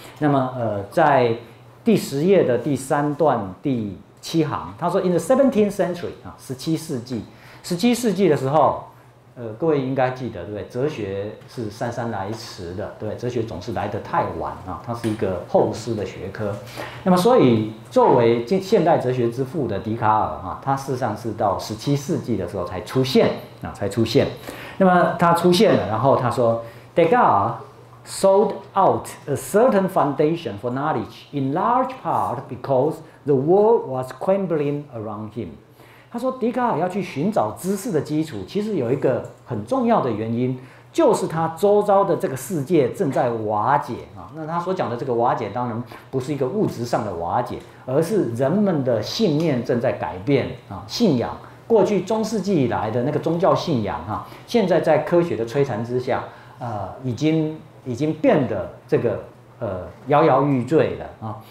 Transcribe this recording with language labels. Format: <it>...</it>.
<zh>那么在第十页的第三段第七行，他说</zh> <en>In the 17th century</en> <zh>啊，十七世纪的时候，各位应该记得，对不对？哲学是姗姗来迟的，对不对？哲学总是来得太晚啊，它是一个后世的学科。那么，所以作为现代哲学之父的笛卡尔啊，他事实上是到十七世纪的时候才出现啊，才出现。那么他出现了，然后他说</zh> <en>，Descartes sold out a certain foundation for knowledge in large part because the world was crumbling around him。</en> <zh>他说笛卡尔要去寻找知识的基础，其实有一个很重要的原因，就是他周遭的这个世界正在瓦解啊。那他所讲的这个瓦解当然不是一个物质上的瓦解，而是人们的信念正在改变啊，信仰过去中世纪以来的那个宗教信仰啊，现在在科学的摧残之下已经变得这个摇摇欲坠了啊。</zh>